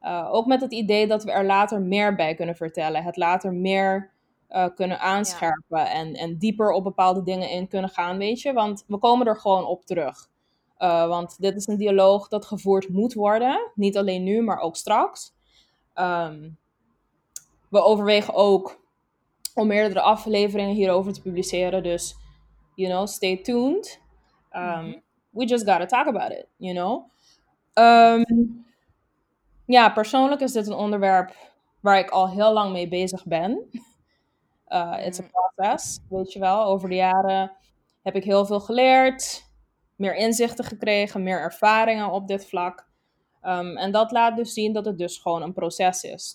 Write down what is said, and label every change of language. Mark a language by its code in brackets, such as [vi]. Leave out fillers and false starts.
[nl] Ook met het idee dat we er later meer bij kunnen vertellen, het later meer kunnen aanscherpen en dieper op bepaalde dingen in kunnen gaan, weet je, want we komen er gewoon op terug. Want dit is een dialoog dat gevoerd moet worden, niet alleen nu, maar ook straks. We overwegen ook om meerdere afleveringen hierover te publiceren. [en] Dus, you know, stay tuned. We just gotta talk about it, you know. [nl] Ja, persoonlijk is dit een onderwerp waar ik al heel lang mee bezig ben. [en] It's a process, [nl] weet je wel. Over de jaren heb ik heel veel geleerd. Meer inzichten gekregen, meer ervaringen op dit vlak. En dat laat dus zien dat het dus gewoon een proces is.